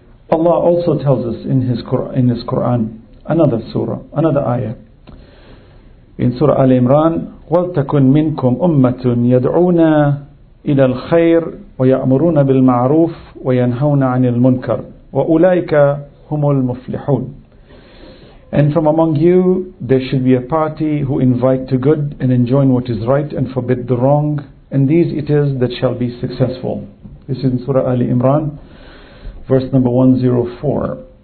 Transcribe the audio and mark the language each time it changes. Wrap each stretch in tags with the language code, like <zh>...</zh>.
<en>Allah also tells us in his Quran another surah, another ayah. In Surah Ali Imran,</en> <ar>وَلْتَكُنْ مِنْكُمْ أُمَّةٌ يَدْعُونَ إِلَى الْخَيْرِ وَيَأْمُرُونَ بِالْمَعْرُوفِ وَيَنْهَوْنَ عَنِ الْمُنْكَرِ وَأُولَئِكَ هُمُ الْمُفْلِحُونَ.</ar> <en>And from among you, there should be a party who invite to good and enjoin what is right and forbid the wrong, and these it is that shall be successful. This is in Surah Ali Imran, verse number 104.</en>